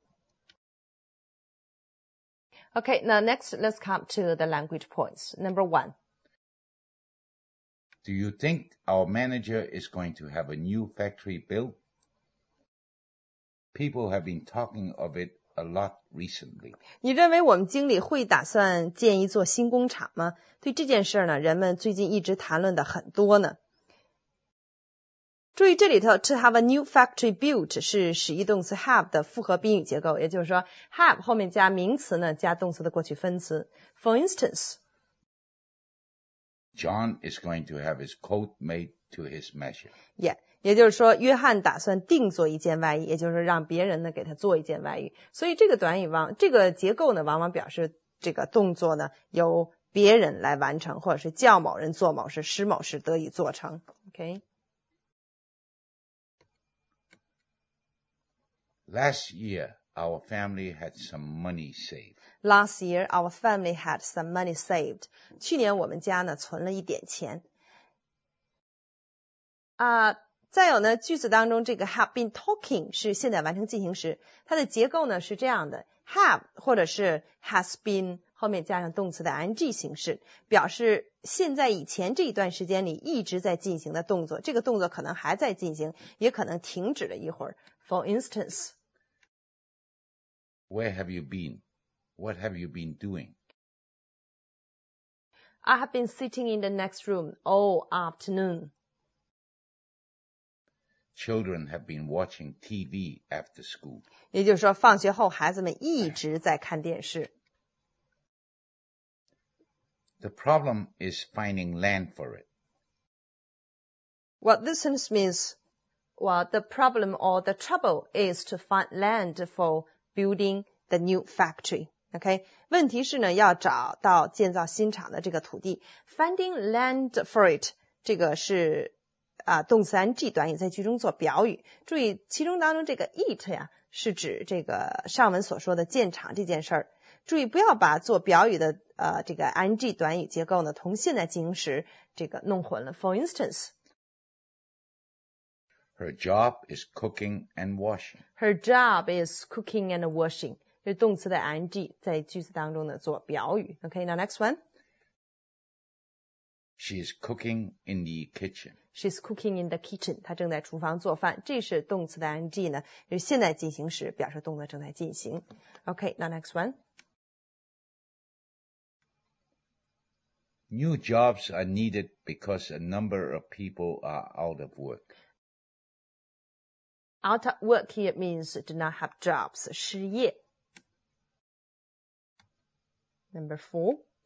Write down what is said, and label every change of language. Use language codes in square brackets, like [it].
[en] Mm-hmm. Okay, now next let's come to the language points. Number one. Do you think our manager is going to have a new factory built? People have been talking of it a lot recently. [zh] 你认为我们经理会打算建一座新工厂吗？对这件事呢，人们最近一直谈论的很多呢。注意这里头 [en] to have a new factory built [zh] 是使役动词 have 的复合宾语结构，也就是说 have 后面加名词呢，加动词的过去分词。 [en] For instance, John is going to have his coat made to his measure. Yeah, [zh] 也就是说约翰打算定做一件外衣，也就是让别人呢给他做一件外衣。所以这个短语这个结构呢往往表示这个动作呢由别人来完成，或者是叫某人做某事，使某事得以做成。 Okay. [en] Last year, our family had some money saved. Last year, our family had some money saved. [zh] 去年我们家呢存了一点钱。再有呢，句子当中这个 have been talking 是现在完成进行时，它的结构呢是这样的 ：have 或者是 has been 后面加上动词的 ing 形式，表示现在以前这一段时间里一直在进行的动作。这个动作可能还在进行，也可能停止了一会儿。 [en] For instance, Where have you been? What have you been doing? I have been sitting in the next room all afternoon. Children have been watching TV after school. [zh] 也就是说放学后孩子们一直在看电视。 [en] The problem is finding land for it. What this sentence means, well, the problem or the trouble is to find land for building the new factory. Okay? [zh] 问题是呢要找到建造新厂的这个土地。 [en] Finding land for it, [zh] 这个是动词 ing 短语在句中做表语。注意其中当中这个 it 呀是指这个上文所说的建厂这件事儿。注意不要把做表语的这个 ing 短语结构呢同现在进行时这个弄混了。 [en] For instance, her job is cooking and washing. Her job is cooking and washing. [zh] 这动词的 ing 在句子当中呢做表语。 [en] Okay, now next one. She's cooking in the kitchen. She's cooking in the kitchen. [zh] 她正在厨房做饭。这是动词的 ing 呢，就是现在进行时，表示动作正在进行。 [en] Okay, now next one. New jobs are needed because a number of people are out of work. Out of work here means do not have jobs, [zh] 失业。 [en] Number four.